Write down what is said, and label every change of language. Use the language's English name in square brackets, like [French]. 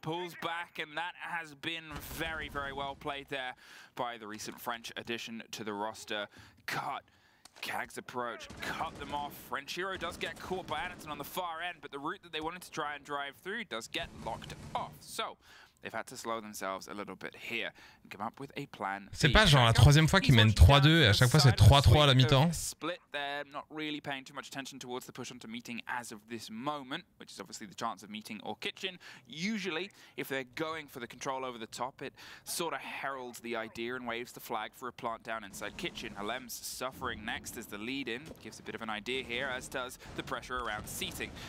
[English] Pulls back, and that has been very, very well played there by the recent French addition to the roster. Cut. Kag's approach cut them off. French Hero does get caught by Anderson on the far end, but the route that they wanted to try and drive through does get locked off. So They've had to slow themselves a little bit here and come up with a plan. [French] C'est pas genre la troisième fois qu'ils mènent 3-2 et à chaque fois c'est 3-3 à la mi-temps. [English] Split there, not really paying too much attention towards the push onto meeting as of this moment, which is obviously the chance of meeting or kitchen. Usually, if they're going for the control over the top, it sort of heralds the idea and waves the flag for a plant down inside kitchen. Alem's suffering next as the lead in gives a bit of an idea here, as does the pressure around seating.